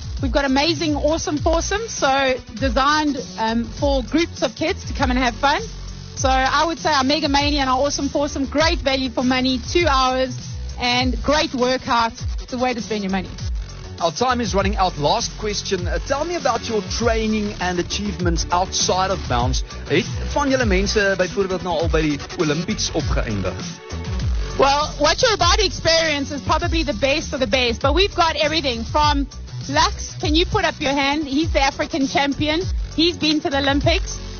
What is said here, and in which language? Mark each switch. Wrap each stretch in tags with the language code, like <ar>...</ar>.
<en>We've got amazing, awesome foursomes, so designed for groups of kids to come and have fun. So I would say our Mega Mania and our awesome foursome, great value for money, 2 hours, and great workout, the way to spend your money. Our time is running out. Last question. Tell me about your training and achievements outside of Bounce.</en> <af>Het van julle mense byvoorbeeld nou al by die Olympics opgeëindig?</af> <en>Well, what you're about to experience is probably the best of the best, but we've got everything from Lux, can you put up your hand? He's the African champion. He's been to the Olympics.</en>